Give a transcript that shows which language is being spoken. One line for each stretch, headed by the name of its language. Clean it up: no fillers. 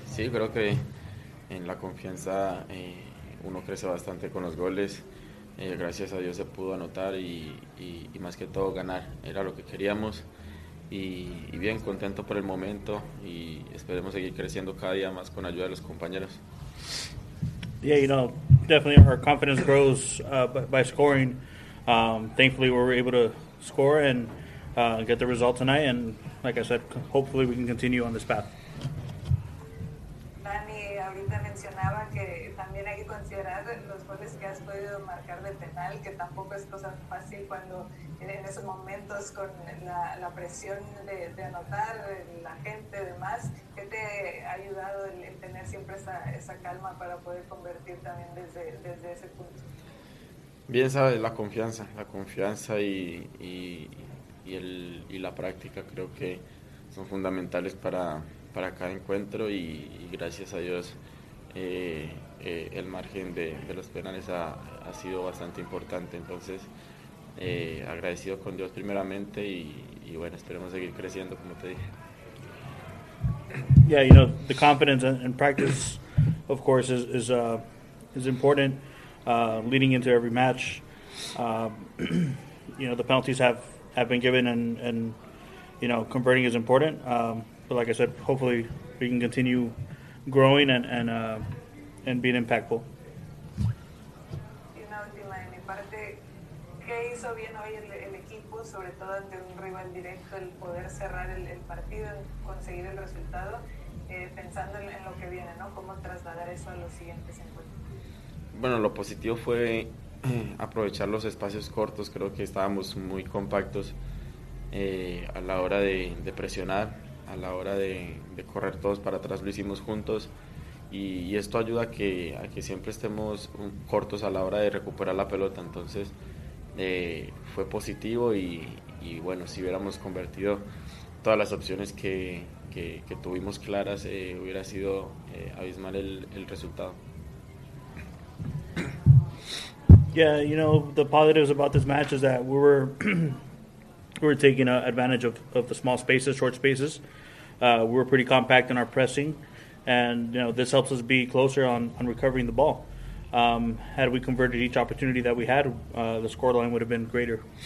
Spanish: Sí, creo que en la confianza uno crece bastante con los goles. Gracias a Dios se pudo anotar y más que todo ganar. Era lo que queríamos. Y bien, contento por el momento y esperemos seguir creciendo cada día más con ayuda de los compañeros.
English: Yeah, you know, definitely our confidence grows by scoring. Thankfully, we were able to score and get the result tonight. And like I said, hopefully we can continue on this path.
Spanish: Dani, ahorita mencionaba que también hay que considerar los goles que has podido marcar de penal, que tampoco es cosa fácil cuando en esos momentos con la presión de anotar, la gente, demás. ¿Qué te ha ayudado el tener siempre esa calma para poder convertir también desde ese punto? Bien, sabes, la confianza y la práctica creo que son fundamentales para cada encuentro y gracias a Dios el margen de los penales ha sido bastante importante. Entonces, agradecido con Dios primeramente y bueno, esperemos seguir creciendo, como te dije.
English: Yeah, you know, the confidence and practice, of course, is important leading into every match. You know, the penalties have been given and you know, converting is important. But like I said, hopefully we can continue growing and being impactful.
Spanish: Y una última de mi parte, ¿qué hizo bien hoy el equipo, sobre todo ante un rival directo, el poder cerrar el partido, conseguir el resultado, pensando en lo que viene, ¿no? ¿Cómo trasladar eso a los siguientes encuentros? Bueno, lo positivo fue aprovechar los espacios cortos. Creo que estábamos muy compactos a la hora de presionar, a la hora de correr todos para atrás, lo hicimos juntos y esto ayuda a que siempre estemos cortos a la hora de recuperar la pelota. Entonces fue positivo y bueno, si hubiéramos convertido todas las opciones que tuvimos claras, hubiera sido abismal el resultado.
English: Yeah, you know, the positives about this match is that we were taking advantage of the small spaces, short spaces. We were pretty compact in our pressing, And, you know, this helps us be closer on recovering the ball. Had we converted each opportunity that we had, the scoreline would have been greater.